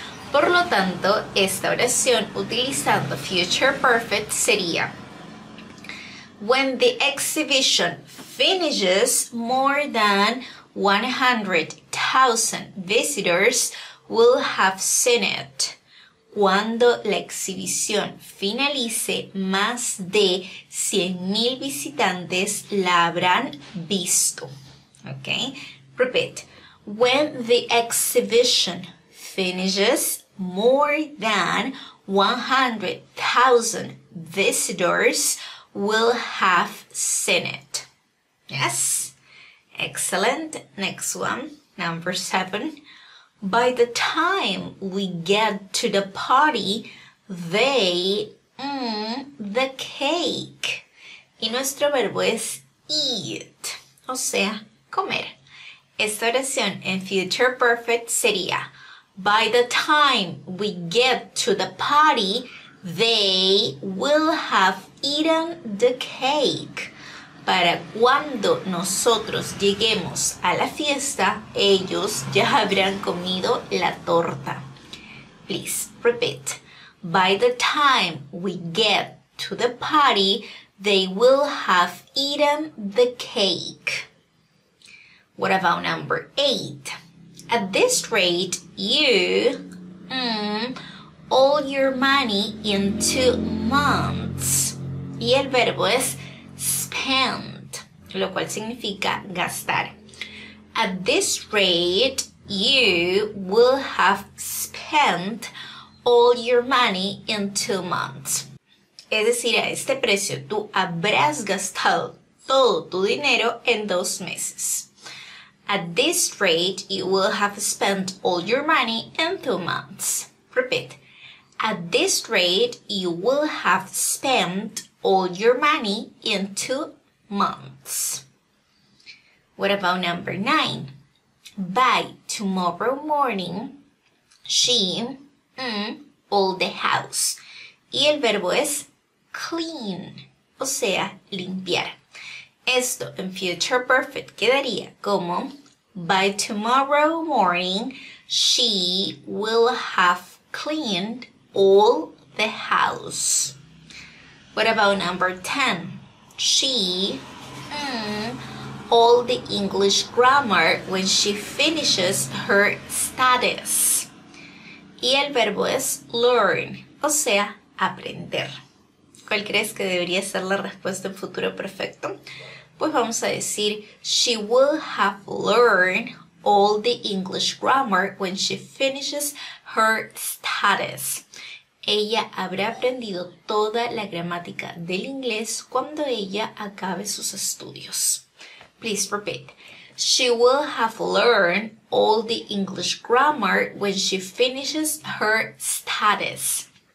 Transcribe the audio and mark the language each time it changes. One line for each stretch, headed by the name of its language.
Spanish: Por lo tanto, esta oración utilizando future perfect sería:
English: When the exhibition finishes, more than 100,000 visitors will have seen it.
Spanish: Cuando la exhibición finalice, más de 100,000 visitantes la habrán visto.
English: Okay? Repeat. When the exhibition finishes, more than 100,000 visitors will have seen it. Yes? Excellent. Next one, number seven. By the time we get to the party, they the cake.
Spanish: Y nuestro verbo es eat, o sea, comer. Esta oración en future perfect sería:
English: By the time we get to the party, they will have eaten the cake.
Spanish: Para cuando nosotros lleguemos a la fiesta, ellos ya habrán comido la torta.
English: Please repeat. By the time we get to the party, they will have eaten the cake. What about number eight? At this rate, you all your money in 2 months.
Spanish: Y el verbo es spend, lo cual significa gastar.
English: At this rate, you will have spent all your money in 2 months.
Spanish: Es decir, a este precio, tú habrás gastado todo tu dinero en 2 meses.
English: At this rate, you will have spent all your money in 2 months. Repeat. At this rate, you will have spent all your money in 2 months. What about number nine? By tomorrow morning, she all the house.
Spanish: Y el verbo es clean, o sea, limpiar. Esto en future perfect quedaría como:
English: by tomorrow morning, she will have cleaned all the house. What about number 10? She, all the English grammar when she finishes her studies.
Spanish: Y el verbo es learn, o sea, aprender. ¿Cuál crees que debería ser la respuesta en futuro perfecto? Pues vamos a decir,
English: she will have learned all the English grammar when she finishes her studies.
Spanish: Ella habrá aprendido toda la gramática del inglés cuando ella acabe sus estudios.
English: Please repeat. She will have learned all the English grammar when she finishes her studies.